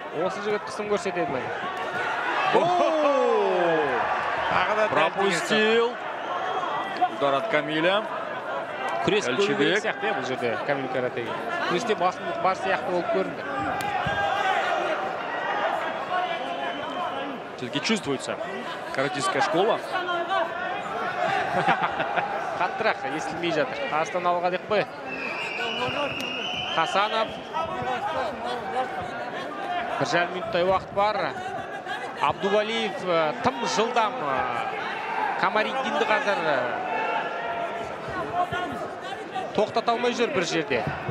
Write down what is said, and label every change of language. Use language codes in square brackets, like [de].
[kk] Осы жігіт қысым көрсетеді ма? [ru] Тағы да пропустил. Удар от Камиля. [kk] Күрес көрінген сияқты, бұл жерде Камиль Карате. Күресте басымдық бар сияқты болып көрінді. [ru] Все-таки чувствуется каратистская школа. [kk] Қаттырақ, естілмей жатыр. Қазақстан алға деп қой. Хасанов. Бір жарым минуттай уақыт бар. Абдувалиев тым жылдам. Камариддинді қазір тоқтата алмай жүр бір жерде.